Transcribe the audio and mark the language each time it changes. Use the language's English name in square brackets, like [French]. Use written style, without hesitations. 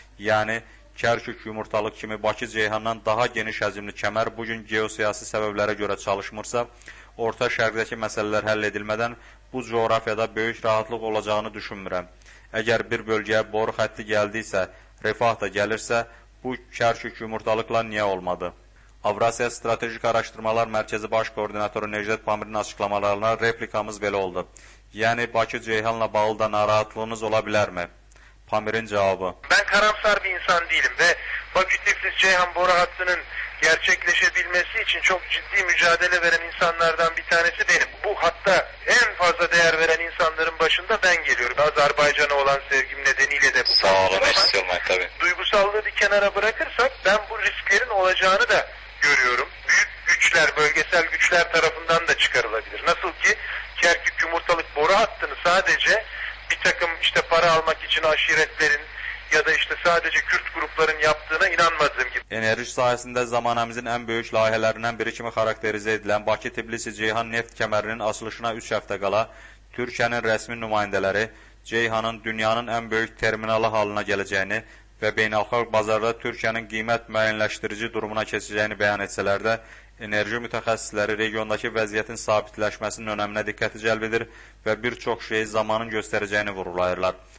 [Azerbaijani] Yəni, Kərkük yumurtalıq kimi Bakı Ceyhandan daha geniş həcmli kəmər bugün geosiyasi səbəblərə görə çalışmırsa, Orta Şərqdəki məsələlər həll edilmədən bu coğrafiyada böyük rahatlıq olacağını düşünmürəm. Əgər bir bölgəyə boru xətti gəldiysə, refah da gəlirsə, bu Kərkük yumurtalıqla niyə olmadı? Avrasiya Strateji Araşdırmalar Mərkəzi Baş Koordinatoru Necdet Pamirin açıqlamalarına replikamız belə oldu. Yəni, Bakı Ceyhanla bağlı da narahatlığınız ola bilərmi? Pamirin cavabı. Mən karamsar bir insan deyilim və Bakı-Tbilisi-Ceyhan boru xəttinin [Turkish] gerçekleşebilmesi için çok ciddi mücadele veren insanlardan bir tanesi benim. Bu hatta en fazla değer veren insanların başında ben geliyorum. Azerbaycan'a olan sevgim nedeniyle de bu. Sağ olun, istiyorlar tabii. Duygusallığı bir kenara bırakırsak ben bu risklerin olacağını da görüyorum. Büyük güçler, bölgesel güçler tarafından da çıkarılabilir. Nasıl ki Kerkük yumurtalık boru hattını sadece bir takım işte para almak için aşiretlerin ya da işte sadece Kürt grupların yaptığına inanmadığım gibi. [Azerbaijani] Enerji sahəsində zamanımızın ən böyük layihələrindən biri kimi xarakterizə edilən Bakı-Tbilisi-Ceyhan neft kəmərinin açılışına 3 həftə qala Türkiyənin rəsmi nümayəndələri Ceyhanın dünyanın ən böyük terminalı halına gələcəyini və beynəlxalq bazarda Türkiyənin qiymət müəyyənləşdirici durumuna keçəcəyini bəyan etsələr də enerji mütəxəssisləri regiondakı vəziyyətin sabitləşməsinin önəminə diqqəti cəlb edir və bir çox şeyi zamanın göstərəcəyini vurğulayırlar.